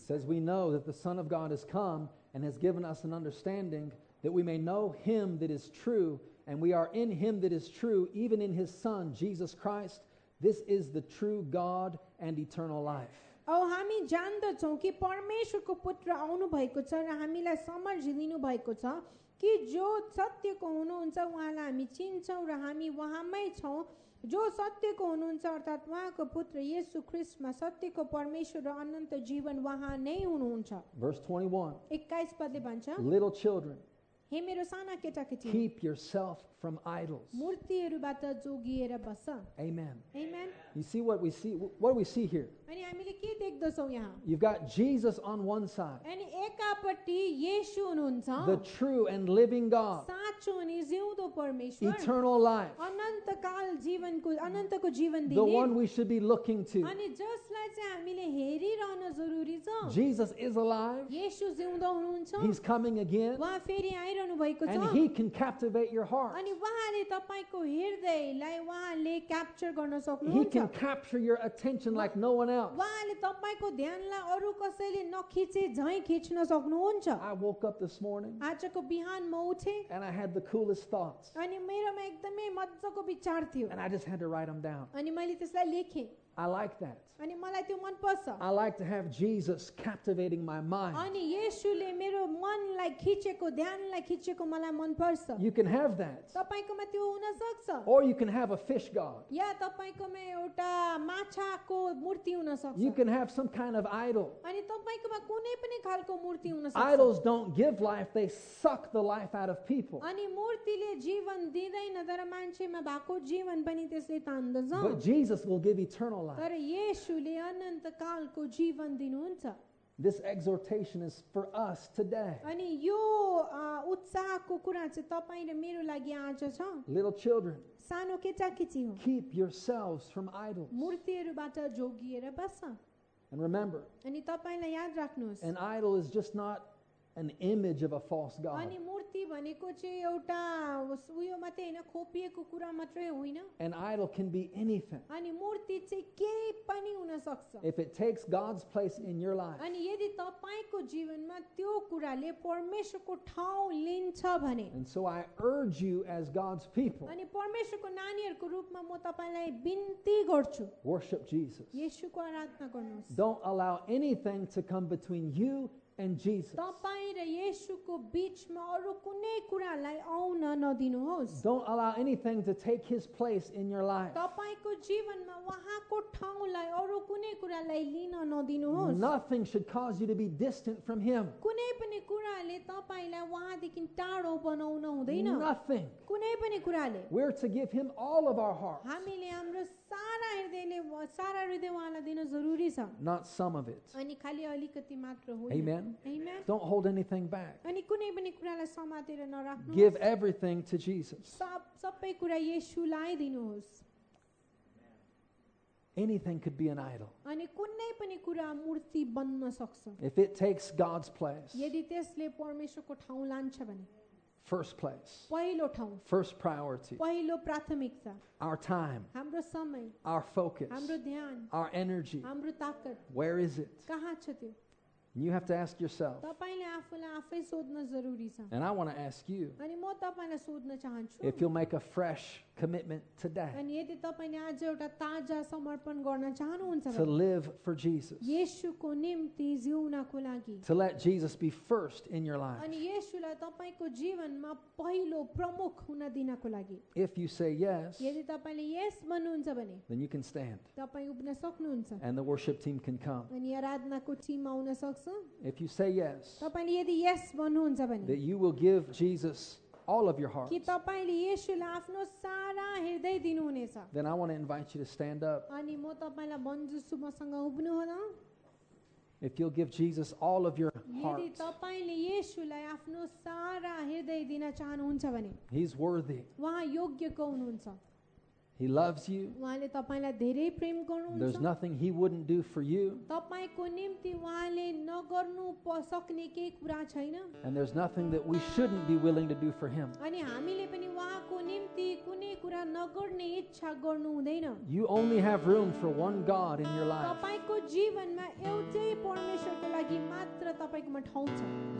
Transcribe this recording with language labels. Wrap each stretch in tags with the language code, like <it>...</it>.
<en>Says we know that the Son of God has come and has given us an understanding that we may know him that is true. And we are in him that is true, even in his Son, Jesus Christ. This is the true God and eternal life.</en> <ne>औ हामी जान्दछौँ कि परमेश्वरको पुत्र आउनु भएको छ र हामीलाई समझ दिनु भएको छ कि जो सत्यको हुनुहुन्छ उहाँलाई हामी चिन्छौँ र हामी उहाँमै छौँ जो सत्यको हुनुहुन्छ अर्थात् उहाँको पुत्र येशु ख्रीष्टमा सत्यको परमेश्वर र अनन्त जीवन उहाँ नै हुनुहुन्छ.</ne> <en>Verse</en> <ne>21 पदले भन्छ.</ne> <en>Little children.</en> <ne>हे मेरो साना केटाकेटी.</ne> <en>Keep yourself from idols.</en> <ne>मूर्तिहरूबाट जोगिएर बस.</ne> <en>Amen.</en> <ne>Amen.</ne> <en>You see what we see? What do we see here?</en> <ne>अनि हामीले के देख्दछौ यहाँ?</ne> <en>You've got Jesus on one side.</en> <ne>अनि एकापट्टि येशु हुनुहुन्छ.</ne> <en>The true and living God.</en> <ne>साँचो अनि जिउँदो परमेश्वर.</ne> <en>Eternal life.</en> <ne>अनन्तकाल जीवनको अनन्तको जीवन दिने.</ne> <en>The one we should be looking to.</en> <ne>अनि जसलाई चाहिँ हामीले हेरिरहन जरुरी छ.</ne> <en>Jesus is alive.</en> <ne>येशु जिउँदो हुनुहुन्छ.</ne> <en>He's coming again.</en> <ne>वहाँ फेरि आइरहनु भएको छ.</ne> <en>And he can captivate your heart.</en> <ne>अनि वहाँले तपाईको हृदयलाई वहाँले क्याप्चर गर्न सक्नुहुन्छ.</ne> <en>Can capture your attention like no one else.</en> <ne>वाले तपाईको ध्यानलाई अरु कसैले नखिचे झैं खिच्न सक्नुहुन्छ.</ne> <en>I woke up this morning.</en> <ne>आजको बिहान म उठे.</ne> <en>And I had the coolest thoughts.</en> <ne>अनि मेरोमा एकदमै मज्जाको विचार थियो.</ne> <en>And I just had to write them down.</en> <ne>अनि मैले त्यसलाई लेखे.</ne> <en>I like that.</en> <ne>अनि मलाई त्यो मन पर्छ.</ne> <en>I like to have Jesus captivating my mind.</en> <ne>अनि येशूले मेरो मनलाई खिचेको ध्यानलाई खिचेको मलाई मन पर्छ.</ne> <en>You can have that.</en> <ne>तपाईकोमा त्यो हुन सक्छ.</ne> <en>Or you can have a fish god.</en> <ne>या तपाईकोमा एउटा माछाको मूर्ति हुन सक्छ.</ne> <en>You can have some kind of idol.</en> <ne>अनि तपाईकोमा कुनै पनि खालको मूर्ति हुन सक्छ.</ne> <en>Idols don't give life, they suck the life out of people.</en> <ne>अनि मूर्तिले जीवन दिदैन तर मान्छेमा भएको जीवन पनि त्यसले तान्दछ.</ne> <en>But Jesus will give eternal.</en> <ne>तर येशूले अनन्तकालको जीवन दिनुहुन्छ.</ne> <en>This exhortation is for us today.</en> <ne>अनि यो उत्साहको कुरा चाहिँ तपाईं र मेरो लागि आज छ.</ne> <en>Little children.</en> <ne>सानो केटाकेटी हो.</ne> <en>Keep yourselves from idols.</en> <ne>मूर्तिहरूबाट जोगिएर बस.</ne> <en>And remember.</en> <ne>अनि तपाईंले याद राख्नुहोस्.</ne> <en>An idol is just not an image of a false god.</en> <ne>अनि मूर्ति भनेको चाहिँ एउटा उयो मात्रै हैन खोपिएको कुरा मात्रै होइन.</ne> <en>An idol can be anything.</en> <ne>अनि मूर्ति चाहिँ केही पनि हुन सक्छ.</ne> <en>If it takes God's place in your life.</en> <ne>अनि यदि तपाईको जीवनमा त्यो कुराले परमेश्वरको ठाउँ लिन्छ भने.</ne> <en>And so I urge you as God's people.</en> <ne>अनि परमेश्वरको नानीहरुको रूपमा म तपाईलाई बिन्ती गर्छु.</ne> <en>Worship Jesus.</en> <ne>येशूको आराधना गर्नुहोस्.</ne> <en>Don't allow anything to come between you and Jesus.</en> <ne>तपाई र येशूको बीचमा अरु कुनै कुरालाई आउन नदिनुहोस्.</ne> <en>Don't allow anything to take his place in your life.</en> <ne>तपाईको जीवनमा वहाको ठाउँलाई अरु कुनै कुरालाई लिन नदिनुहोस्.</ne> <en>Nothing should cause you to be distant from him.</en> <ne>कुनै पनि कुराले तपाईलाई वहाँदेखि टाढो बनाउन हुँदैन.</ne> <en>Nothing.</en> <ne>कुनै पनि कुराले.</ne> <en>We're to give him all of our hearts.</en> <ne>हामीले हाम्रो सारा हृदयले सारा हृदय उहाँलाई दिन जरुरी छ.</ne> <en>Not some of it.</en> <ne>अनि खाली अलिकति मात्र हो.</ne> <en>Amen.</en> <ne>Amen.</ne> <en>Don't hold anything back.</en> <ne>अनि कुनै पनि कुरालाई समातेर नराख्नुहोस्.</ne> <en>Give everything to Jesus.</en> <ne>सबै कुरा येशूलाई दिनुहोस्.</ne> <en>Anything could be an idol.</en> <ne>अनि कुनै पनि कुरा मूर्ति बन्न सक्छ.</ne> <en>If it takes God's place.</en> <ne>यदि त्यसले परमेश्वरको ठाउँ लान्छ भने.</ne> <en>First place.</en> <ne>पहिलो ठाउँ.</ne> <en>First priority.</en> <ne>पहिलो प्राथमिकता.</ne> <en>Our time.</en> <ne>हाम्रो समय.</ne> <en>Our focus.</en> <ne>हाम्रो ध्यान.</ne> <en>Our energy.</en> <ne>हाम्रो ताकत.</ne> <en>Where is it?</en> <ne>कहाँ छ त्यो?</ne> <en>You have to ask yourself.</en> <ne>तपाईले आफूलाई आफै सोध्न जरुरी छ.</ne> <en>And I want to ask you.</en> <ne>अनि म तपाईलाई सोध्न चाहन्छु.</ne> <en>If you'll make a fresh commitment today.</en> <ne>अनि यदि तपाईले आज एउटा ताजा समर्पण गर्न चाहनुहुन्छ भने.</ne> <en>To live for Jesus.</en> <ne>येशूको निम्ति जिउनको लागि.</ne> <en>To let Jesus be first in your life.</en> <ne>अनि येशूलाई तपाईको जीवनमा पहिलो प्रमुख हुन दिनको लागि.</ne> <en>If you say yes.</en> <ne>यदि तपाईले yes भन्नुहुन्छ भने.</ne> <en>Then you can stand.</en> <ne>तपाई उभिन सक्नुहुन्छ.</ne> <en>And the worship team can come.</en> <ne>अनि आराधनाको टिम आउन सक्छ.</ne> <en>If you say yes,</en> <ne>तपाईले यदि yes भन्नुहुन्छ भने,</ne> <en>that you will give Jesus all of your heart.</en> <ne>कि तपाईले येशूलाई आफ्नो सारा हृदय दिनुहुनेछ.</ne> <en>Then I want to invite you to stand up.</en> <ne>अनि म तपाईलाई भन्छु सुमसँग उभिनुहोला.</ne> <en>If you'll give Jesus all of your heart.</en> <ne>यदि तपाईले येशूलाई आफ्नो सारा हृदय दिन चाहनुहुन्छ भने,</ne> <en>He's worthy.</en> <ne>वहाँ योग्यको हुनुहुन्छ.</ne> <en>He loves you.</en> <ne>उहाँले तपाईलाई धेरै प्रेम गर्नुहुन्छ.</ne> <en>There's nothing he wouldn't do for you.</en> <ne>तपाईको निम्ति उहाँले नगर्नु सक्ने केही कुरा छैन.</ne> <en>And there's nothing that we shouldn't be willing to do for him.</en> <ne>अनि हामीले पनि उहाँको निम्ति कुनै कुरा नगर्ने इच्छा गर्नु हुँदैन.</ne> <en>You only have room for one God in your life.</en> <ne>तपाईको जीवनमा एउटै परमेश्वरको लागि मात्र तपाईकोमा ठाउँ छ.</ne>